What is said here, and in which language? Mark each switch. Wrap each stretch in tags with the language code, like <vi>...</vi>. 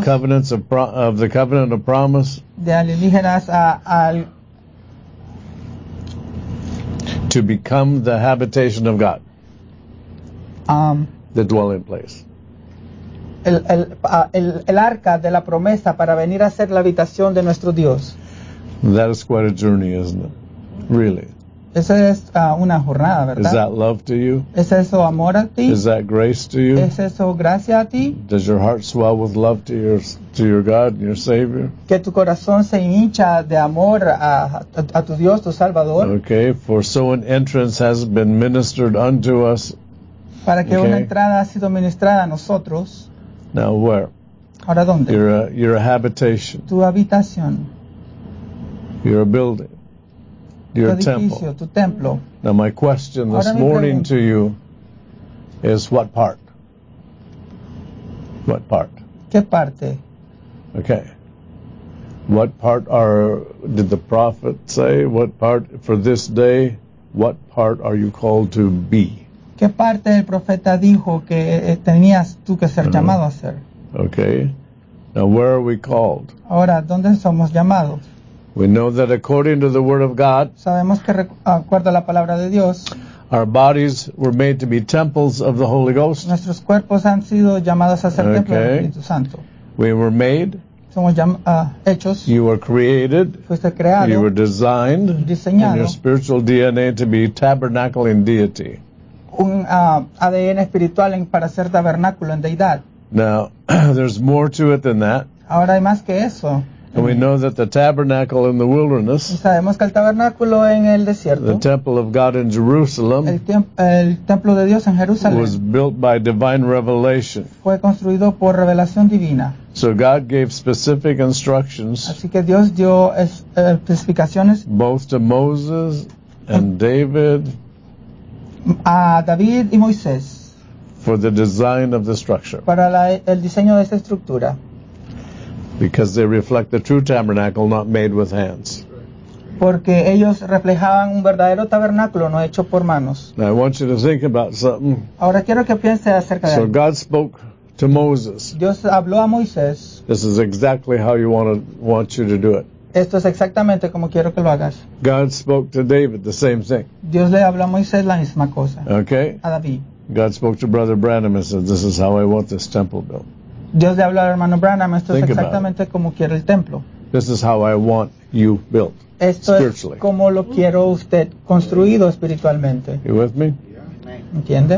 <en>to covenants of, of the covenant of promise</en> <es>de alienígenas a, al,</es> <en>to become the habitation of God, the dwelling place.</en> <es>El arca de la promesa para venir a ser la habitación de nuestro Dios.</es> <en>That is quite a journey, isn't it? Really.</en> <es>Esa es una jornada, ¿verdad?</es> <en>Is that love to you?</en> <es>¿Es eso amor a ti?</es> <en>Is that grace to you?</en> <es>¿Es eso gracia a ti?</es> <en>Does your heart swell with love to your God and your Savior?</en> <es>¿Que tu corazón se hincha de amor a tu Dios, tu Salvador?</es> <en>Okay, for so an entrance has been ministered unto us.</en> <es>Para que okay. Una entrada ha sido ministrada a nosotros.</es> <en>Now where?</en> <es>¿Ahora dónde?</es> <en>You're a habitation.</en> <es>Tu habitación.</es> <en>You're a building. Your</en> <es>edificio, Tu templo.</es> <en>Now my question this</en> <es>ahora</es> <en>morning</en> <es>pregunta,</es> <en>to you is what part? What part?</en> <es>¿Qué parte?</es> <en>Okay. What part did the prophet say? What part for this day? What part are you called to be?</en> <es>¿Qué parte el profeta dijo que tenías tú que ser llamado a ser?</es> <en>Okay. Now where are we called?</en> <es>Ahora, ¿dónde somos llamados?</es> <en>We know that according to the word of God,</en> <es>sabemos que acuerdo a la palabra de Dios,</es> <en>our bodies were made to be temples of the Holy Ghost.</en> <es>Nuestros cuerpos han sido llamados a ser templos del Espíritu Santo.</es> <en>We were made.</en> <es>Somos hechos.</es> <en>You were created.</en> <es>Fuiste creado.</es> <en>You were designed.</en> <es>Diseñado.</es> <en>In your spiritual DNA to be tabernacle in deity.</en> <es>Un ADN espiritual para ser tabernáculo en deidad.</es> <en>Now, there's more to it than that.</en> <es>Ahora hay más que eso.</es> <en>And we know that the tabernacle in the wilderness,</en> <es>sabemos que el tabernáculo en el desierto,</es> <en>the temple of God in Jerusalem,</en> <es>el templo de Dios en Jerusalén,</es> <en>was built by divine revelation.</en> <es>Fue construido por revelación divina.</es> <en>So God gave specific instructions,</en> <es>así que Dios dio especificaciones,</es> <en>both to Moses and David,</en> <es>a David y Moisés,</es> <en>for the design of the structure.</en> <es>Para el diseño de esta estructura.</es> <en>Because they reflect the true tabernacle not made with hands.</en> <es>Porque ellos reflejaban un verdadero tabernáculo no hecho por manos.</es> <en>Now I want you to think about something.</en> <es>Ahora quiero que piense acerca de</es> <en>so God spoke to Moses.</en> <es>Dios habló a Moisés.</es> <en>This is exactly how you want you to do it.</en> <es>Esto es exactamente como quiero que lo hagas.</es> <en>God spoke to David the same thing.</en> <es>Dios le habló a Moisés la misma cosa.</es> <en>Okay.</en> <es>A David.</es> <en>God spoke to Brother Branham and said, "This is how I want this temple built."</en> <es>Dios le habló al hermano Branham, esto</es> <en>think</en> <es>es exactamente como quiero el templo.</es> <en>This is how I want you built,</en> <es>esto</es> <en>spiritually.</en> <es>Es como lo quiero usted construido espiritualmente.</es> <en>You with me?</en> <es>¿Entiende?</es>